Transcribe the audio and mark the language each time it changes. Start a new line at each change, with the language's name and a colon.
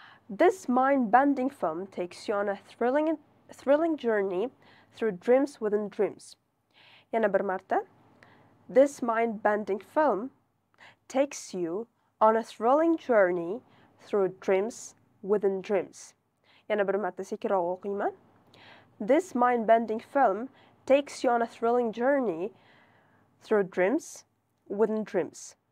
English: This mind-bending film takes you on a thrilling journey through dreams within dreams.
Uzbek: Yana bir marta.
English: This mind-bending film takes you on a thrilling journey through dreams within dreams.
Uzbek: Yana bir marta sekinroq o'qiyman.
English: This mind-bending film takes you on a thrilling journey through dreams within dreams.